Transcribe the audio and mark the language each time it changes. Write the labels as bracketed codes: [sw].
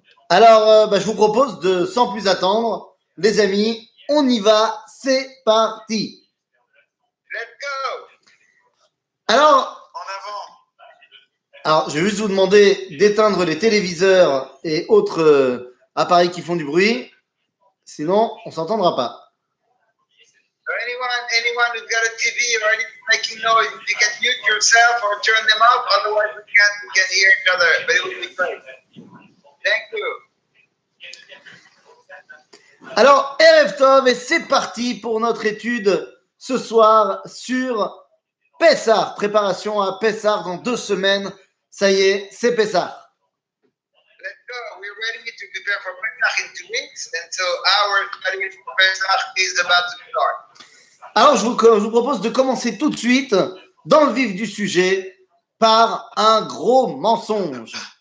[fr] Alors, je vous propose de, sans plus attendre, les amis, on y va, c'est parti. [en] Let's go. [fr] Alors, en avant. Alors, je vais juste vous demander d'éteindre les téléviseurs et autres appareils qui font du bruit, sinon on ne s'entendra pas. [en] Anyone who's got a TV or anything making noise, you can mute yourself or turn them off, otherwise we can hear each other, but it will be great. Thank you. [fr] Alors, Erev Tov, et c'est parti pour notre étude ce soir sur Pessah. Préparation à Pessah dans 2 semaines. Ça y est, c'est Pessah. [en] Let's go. We're ready to prepare for Pessah in 2 weeks. And so our study for Pessah is about to start. [fr] Alors, je vous propose de commencer tout de suite, dans le vif du sujet, par un gros mensonge.